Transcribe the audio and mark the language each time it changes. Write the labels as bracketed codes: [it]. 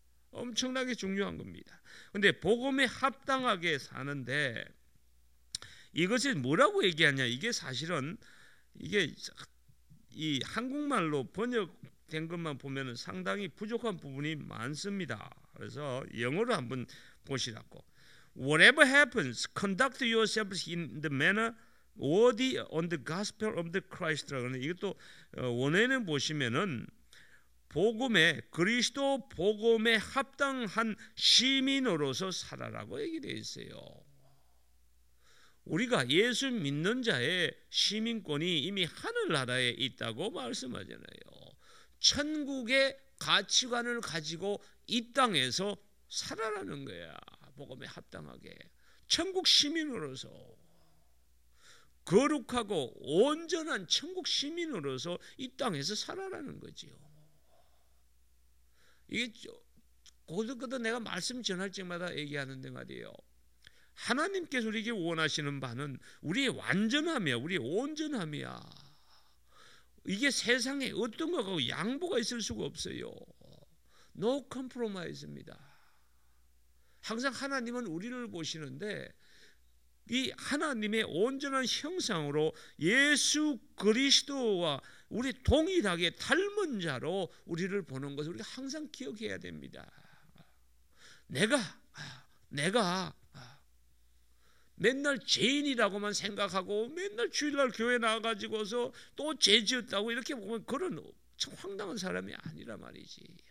[ko] 엄청나게 중요한 겁니다. 그런데 복음에 합당하게 사는데 이것을 뭐라고 얘기하냐? 이게 사실은 이게 이 한국말로 번역된 것만 보면 상당히 부족한 부분이 많습니다. 그래서 영어로 한번 보시라고. [en] Whatever happens, conduct yourselves in the manner worthy on the gospel of the Christ. [ko] 이것도 원어에는 보시면은 복음에 그리스도 복음에 합당한 시민으로서 살아라고 얘기되어 있어요. 우리가 예수 믿는 자의 시민권이 이미 하늘나라에 있다고 말씀하잖아요. 천국의 가치관을 가지고 이 땅에서 살아라는 거야. 복음에 합당하게 천국 시민으로서 거룩하고 온전한 천국 시민으로서 이 땅에서 살아라는 거지요. 이게 고득고득 내가 말씀 전할 때마다 얘기하는데 말이에요. 하나님께서 우리에게 원하시는 바는 우리의 완전함이야. 우리의 온전함이야. 이게 세상에 어떤 것하고 양보가 있을 수가 없어요. [en] No compromise입니다. [ko] 항상 하나님은 우리를 보시는데 이 하나님의 온전한 형상으로 예수 그리스도와 우리 동일하게 닮은 자로 우리를 보는 것을 우리가 항상 기억해야 됩니다. 내가 맨날 죄인이라고만 생각하고 맨날 주일날 교회 나와가지고서 또 죄 지었다고 이렇게 보면 그런 참 황당한 사람이 아니라 말이지.